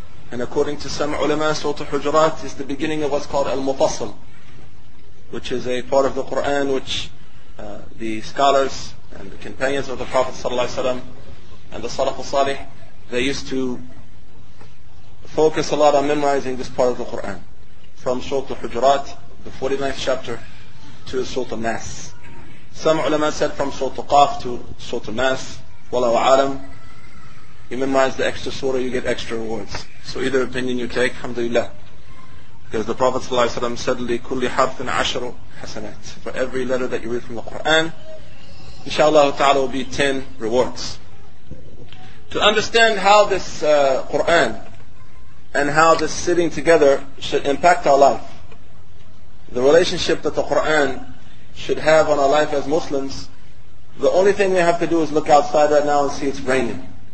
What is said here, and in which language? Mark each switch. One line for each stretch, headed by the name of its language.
English: And according to some ulama, Surah Al-Hujurat is the beginning of what's called Al-Mufassal, which is a part of the Quran which the scholars and the companions of the Prophet ﷺ and the Salaf al-Salih, they used to focus a lot on memorizing this part of the Qur'an. From Surah al-Hujurat, the 49th chapter, to Surah al-Nas. Some ulama said from Surah al-Qaf to Surah al-Nas, Wallahu alam, you memorize the extra surah, you get extra rewards. So either opinion you take, alhamdulillah. Because the Prophet ﷺ said,
Arabic: لِكُلِّ حَرْفٍ عَشْرُ حَسَنَاتٍ.
English: For every letter that you read from the Qur'an, inshallah ta'ala will be 10 rewards. To understand how this Qur'an and how this sitting together should impact our life, the relationship that the Qur'an should have on our life as Muslims, the only thing we have to do is look outside right now and see it's raining.